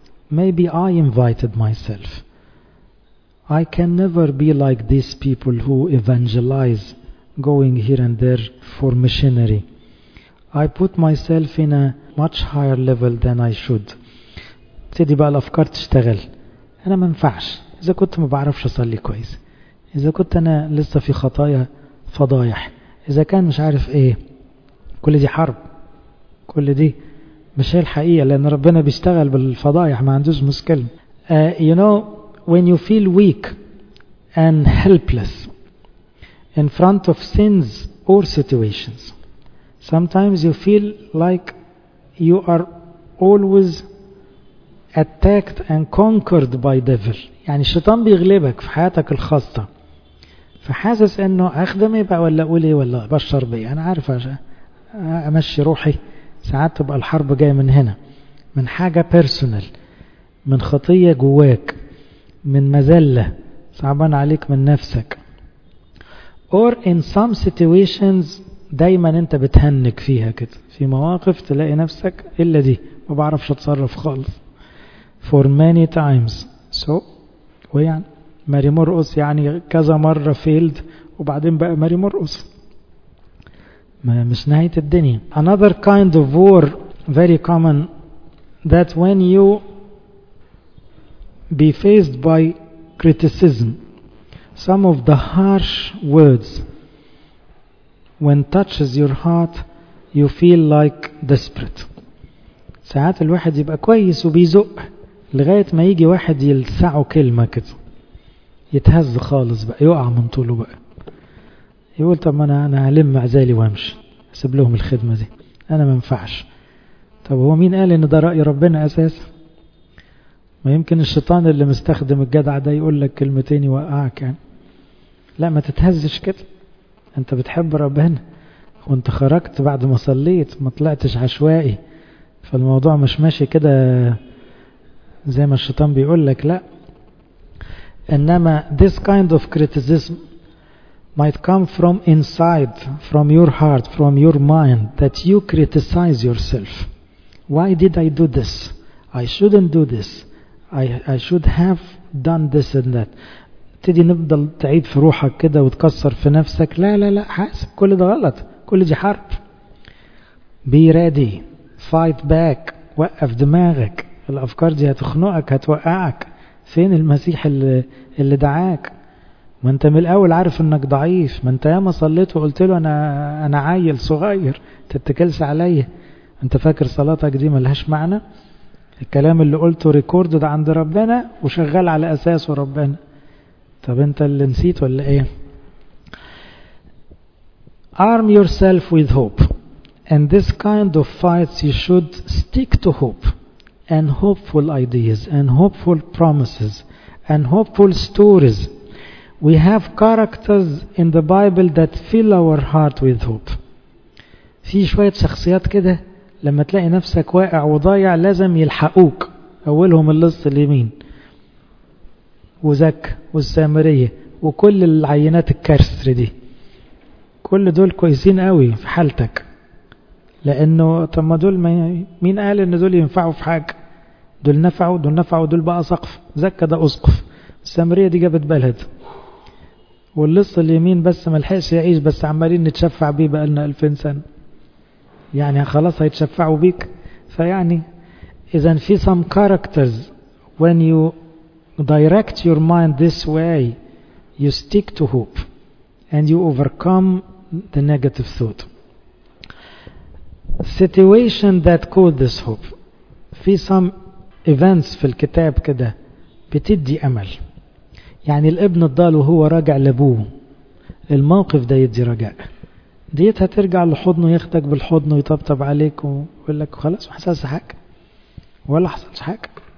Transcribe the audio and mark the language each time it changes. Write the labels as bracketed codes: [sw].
[en] Maybe I invited myself. I can never be like these people who evangelize, going here and there for missionary. I put myself in a much higher level than I should. [ar] تدي بقى الأفكار تشتغل. أنا ما ينفعش. إذا كنت ما بعرفش أصلي كويس. إذا كنت أنا لسه في خطايا فضايح. إذا كان مش عارف إيه. كل دي حرب. كل دي مش هي الحقيقة، لأن ربنا بيشتغل بالفضايح، ما عندوش مشكلة. [en] You know, when you feel weak and helpless in front of sins or situations, sometimes you feel like you are always attacked and conquered by devil. [ar] يعني الشيطان بيغلبك في حياتك الخاصة، فحاسس انه اخدم يبقى ولا اقول ايه ولا بشر بيه، انا عارف امشي روحي. ساعات تبقى الحرب جاية من هنا، من حاجة personal، من خطية جواك، من مذلة صعبان عليك من نفسك. [en] Or in some situations [ar] دايما انت بتهنك فيها كده، في مواقف تلاقي نفسك الا دي ما بعرفش اتصرف خالص. [en] For many times. [ar] So ويعني ماري مرقص يعني كذا مرة failed وبعدين بقى ماري مرقص، ما مش نهاية الدنيا. [en] Another kind of war very common, that when you be faced by criticism, some of the harsh words when touches your heart, you feel like desperate. [ar] ساعات الواحد يبقى كويس وبيزق لغاية ما يجي واحد يلسعه كلمة كده، يتهز خالص بقى، يقع من طوله بقى، يقول طب ما أنا هلم عزالي وامش، أسيب لهم الخدمة دي، أنا منفعش. طب هو مين قال إن ده رأي ربنا أساسا؟ ما يمكن الشيطان اللي مستخدم الجدع ده يقول لك كلمتين يوقعك يعني. لا ما تتهزش كده، أنت بتحب ربنا وأنت خرجت بعد ما صليت، ما طلعتش عشوائي، فالموضوع مش ماشي كده زي ما الشيطان بيقول لك. لا، إنما [en] this kind of criticism might come from inside, from your heart, from your mind, that you criticize yourself. Why did I do this? I shouldn't do this. I should have done this and that. [ar] تدي نفضل تعيد في روحك كده وتكسر في نفسك. لا لا لا، حاسب كل ده غلط، كل دي حرب. [en] Be ready. Fight back. [ar] وقف دماغك. الأفكار دي هتخنقك، هتوقعك. فين المسيح اللي دعاك؟ ما انت من الأول عارف انك ضعيف. ما انت ياما صليت وقلت له أنا عايل صغير تتكلس عليا. انت فاكر صلاتك دي ملهاش معنى؟ الكلام اللي قلته ريكورد ده عند ربنا وشغال على أساسه ربنا. طب انت اللي نسيت ولا ايه؟ [en] Arm yourself with hope. And this kind of fights you should stick to hope. And hopeful ideas, and hopeful promises, and hopeful stories. We have characters in the Bible that fill our heart with hope. [ar] في شوية شخصيات كده لما تلاقي نفسك واقع وضايع لازم يلحقوك. أولهم اللص اليمين وزك والسامرية وكل العينات الكارثرة دي، كل دول كويسين قوي في حالتك. لأنه طب ما دول مين قال إن دول ينفعوا في حاجة؟ دول نفعوا، دول نفعوا، دول بقى سقف، زكى ده أسقف، السامرية دي جابت بلد، واللص اليمين بس ملحقش يعيش بس عمالين نتشفع بيه بقالنا 2000 سنة. يعني خلاص هيتشفعوا بك. فيعني إذا في [en] some characters when you direct your mind this way you stick to hope and you overcome the negative thought. Situation that caused this hope. [ar] في [en] some events [ar] في الكتاب كده بتدي أمل. يعني الابن الضال وهو راجع لابوه الموقف ده يدي رجاء. ديتها ترجع لحضنه ياخدك بالحضن ويطبطب عليك ويقول لك خلاص ما حصلش حاجة ولا حصلش حاجة.